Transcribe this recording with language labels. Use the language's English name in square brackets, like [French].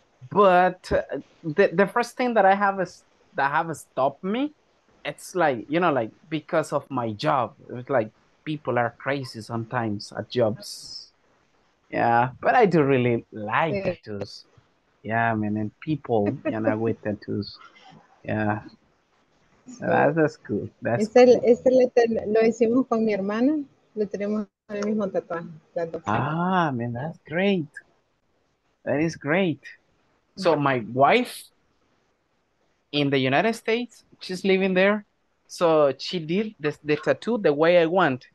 [English] But the first thing that I have is that have stopped me. It's like, you know, like because of my job. It's like people are crazy sometimes at jobs. Yeah, but I do really like tattoos. Yeah, I mean, and people, you know, with tattoos. Yeah. That's cool. That's cool. [Spanish] Lo hicimos con mi hermana, lo tenemos en el mismo tatuaje, las dos tenemos. [English] Ah, man, that's great. That is great. So my wife in the United States, she's living there. So she did the tattoo the way I want.